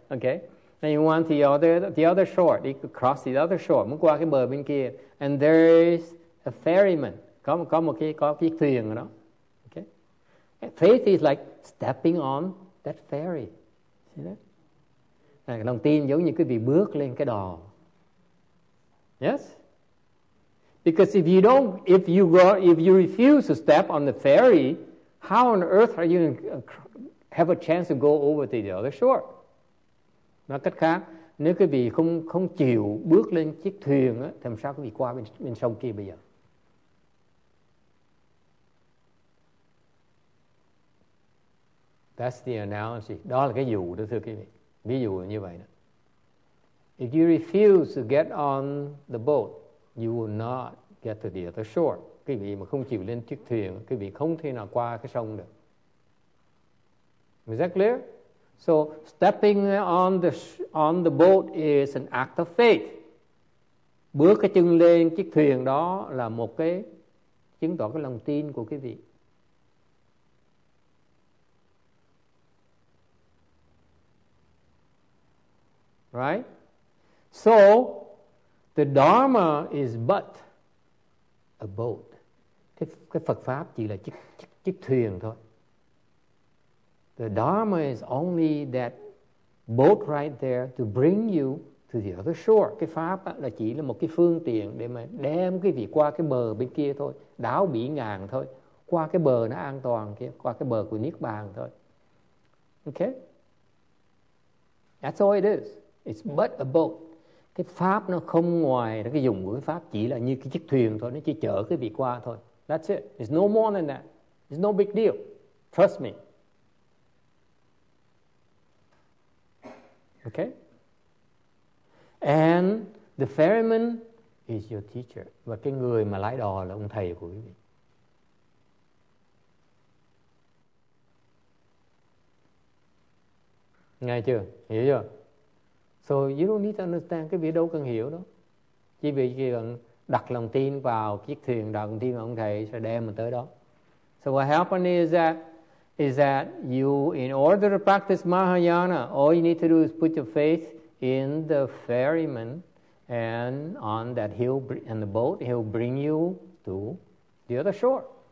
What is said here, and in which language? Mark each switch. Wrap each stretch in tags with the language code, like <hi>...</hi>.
<en>Okay, and you want the other shore. You could cross the other shore,</en> <vi>muốn qua cái bờ bên kia.</vi> <en>And there is a ferryman.</en> <vi>Có một cái thuyền đó.</vi> <en>Faith is like stepping on that ferry. See that?</en> <vi>Lòng tin giống như quý vị bước lên cái đò.</vi> <en>Yes? Because if you refuse to step on the ferry, how on earth are you gonna have a chance to go over to the other shore?</en> <vi>Nói cách khác, nếu quý vị không chịu bước lên chiếc thuyền á, thì làm sao quý vị qua bên sông kia bây giờ?</vi> <en>That's the analogy.</en> <vi>Đó là cái dụ đó thưa quý vị. Ví dụ như vậy đó.</vi> <en>If you refuse to get on the boat, you will not get to the other shore.</en> <vi>Quý vị mà không chịu lên chiếc thuyền, quý vị không thể nào qua cái sông được.</vi> <en>Is that clear? So stepping on the boat is an act of faith.</en> <vi>Bước cái chân lên chiếc thuyền đó là một cái chứng tỏ cái lòng tin của quý vị.</vi> <en>right? So the Dharma is but a boat.</en> <vi>Cái Phật pháp chỉ là chiếc thuyền thôi.</vi> <en>The Dharma is only that boat right there to bring you to the other shore.</en> <vi>Cái pháp là chỉ là một cái phương tiện để mà đem cái vị qua cái bờ bên kia thôi, đảo biển ngàn thôi, qua cái bờ nó an toàn kia, qua cái bờ của Niết Bàn thôi.</vi> <en>Okay? That's all it is. It's but a boat.</en> <vi>Cái pháp nó không ngoài, cái dùng của cái pháp chỉ là như cái chiếc thuyền thôi, nó chỉ chở cái vị qua thôi.</vi> <en>That's it. It's no more than that. It's no big deal. Trust me. Okay? And the ferryman is your teacher.</en> <vi>Và cái người mà lái đò là ông thầy của quý vị. Nghe chưa? Hiểu chưa?</vi> <en>So you don't need to understand.</en> <vi>Cái vị đâu cần hiểu đó. Chỉ vì cần đặt lòng tin vào chiếc thuyền, đặt lòng tin vào ông thầy sẽ đem mình tới đó.</vi> <en>So what happened is that you, in order to practice Mahayana, all you need to do is put your faith in the ferryman and on that he'll and the boat, he'll bring you to the other shore.</en>